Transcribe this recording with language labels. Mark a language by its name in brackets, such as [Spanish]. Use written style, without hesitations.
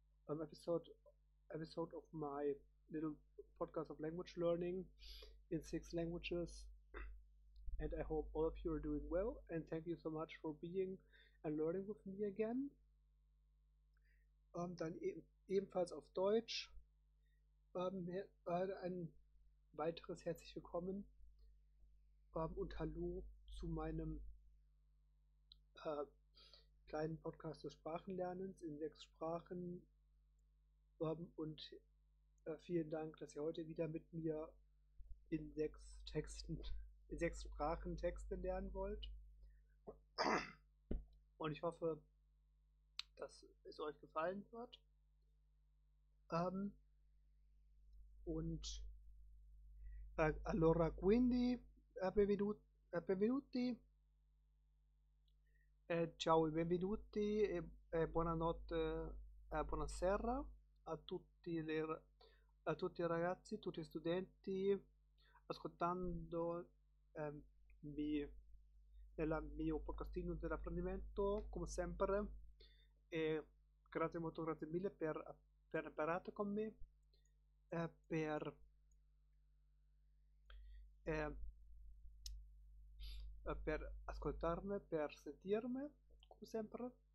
[English] Episode of my little podcast of language learning in six languages, and I hope all of you are doing well, and thank you so much for being and learning with me again. [German] Dann ebenfalls auf Deutsch ein weiteres herzlich willkommen und hallo zu meinem kleinen Podcast des Sprachenlernens in sechs Sprachen. Und vielen Dank, dass ihr heute wieder mit mir in sechs Sprachen Texte lernen wollt. Und ich hoffe, dass es euch gefallen wird. [Italian] Und allora quindi, benvenuti, ciao e benvenuti, buonanotte, buonasera. A tutti i ragazzi, tutti gli studenti, ascoltando nella mio podcastino dell'apprendimento, come sempre, e grazie molto, grazie mille per imparare con me, per ascoltarmi, per sentirmi, come sempre.